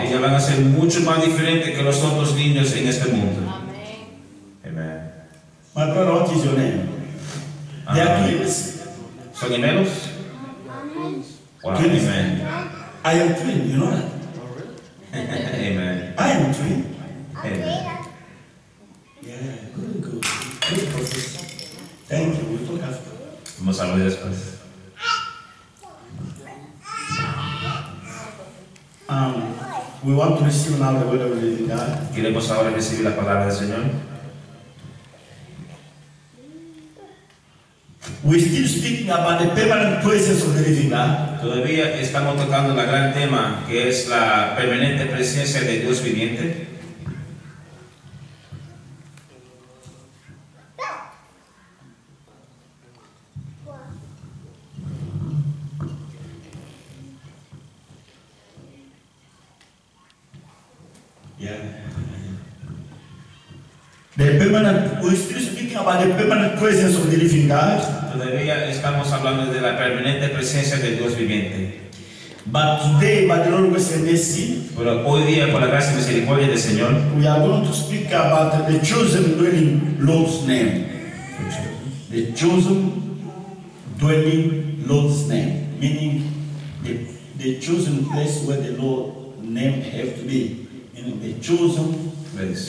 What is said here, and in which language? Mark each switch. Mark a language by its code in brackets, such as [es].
[es] Ellos van a ser mucho más diferentes que los otros niños en este mundo. [en] Amen. My brother, what is your name? They are twins. [es] ¿Son gemelos? [en] Wow, twin. Amen. I am twin, you know that? Amen. I am twin. Amen. Yeah, good, good. Good professor. Thank you, we'll talk after. [es] Vamos a hablar después. [en] We want to receive now the word of the living God. [es] Queremos ahora recibir la palabra del Señor. [en] We still speaking about the permanent presence of the living God. [es] Todavía estamos tocando la gran tema que es la permanente presencia de Dios viviente. [en] The permanent. We still speaking about the permanent presence of the living God. [es] Todavía estamos hablando de la permanente presencia de Dios viviente. [en] But today, by the Lord's mercy, [es] pero hoy día, por la gracia y misericordia del Señor, [en] we are going to speak about the chosen dwelling Lord's name. The chosen dwelling Lord's name, meaning the chosen place where the Lord name have to be, and the chosen place.